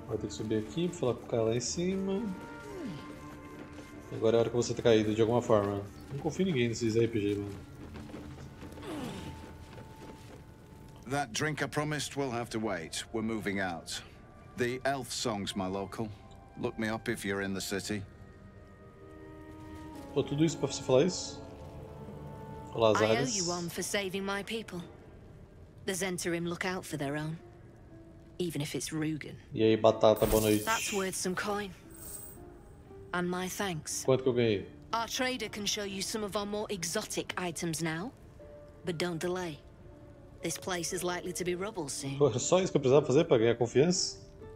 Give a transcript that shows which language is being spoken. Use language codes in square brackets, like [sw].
[pt] Subir aqui, falar com o cara lá em cima. Agora é a hora que você tá caído de alguma forma. Não confio em ninguém nesses RPG, mano. [en] That drink I promised will have to wait. We're moving out. The Elf Song's my local. Look me up if you're in the city. [pt] Pô, tudo isso pra você falar isso? Olá, Zares. [en] I owe you one for saving my people. The Zentarim look out for their own. Even if it's Rugen. [pt] E aí, batata, boa noite. [en] That's worth some coin. And my thanks. [pt] Quanto que eu ganhei? [en] Our trader can show you some of our more exotic items now. But don't delay. This place is likely to be rubble soon. [pt] Pô, só isso que eu precisava fazer para ganhar confiança?